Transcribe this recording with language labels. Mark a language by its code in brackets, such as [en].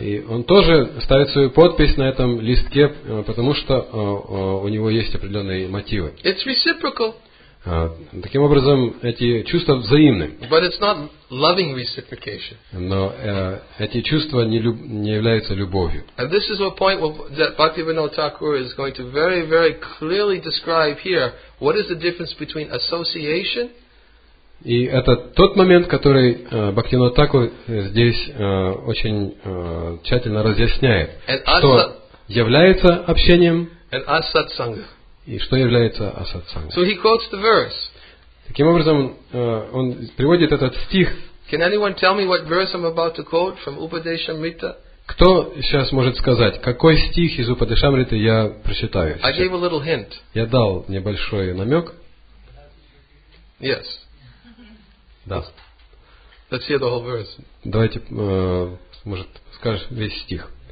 [ru] И он тоже ставит свою подпись на этом листке, потому что у него есть определенные мотивы. [en] It's reciprocal. [ru] Таким образом, эти чувства взаимны. [en] But it's not loving reciprocation. [ru] Но эти чувства не являются любовью. [en] And this is a point that Bhaktivinoda Thakur is going to very, very clearly describe here. What is the difference between association? [ru] И это тот момент, который Бхактивинода Такур здесь очень тщательно разъясняет, что является общением. And asatsanga. И что является асатсанга. [en] So he quotes the verse. [ru] Таким образом, он приводит этот стих. [en] Can anyone tell me what verse I'm about to quote from Upadeshamrita? [ru] Кто сейчас может сказать, какой стих из Упадешамриты я прочитаю? [en] I gave a little hint. [ru] Я дал небольшой намек. [en] Yes. [ru] Да. [en] Let's hear the whole verse. [ru] Давайте может, скажешь весь стих.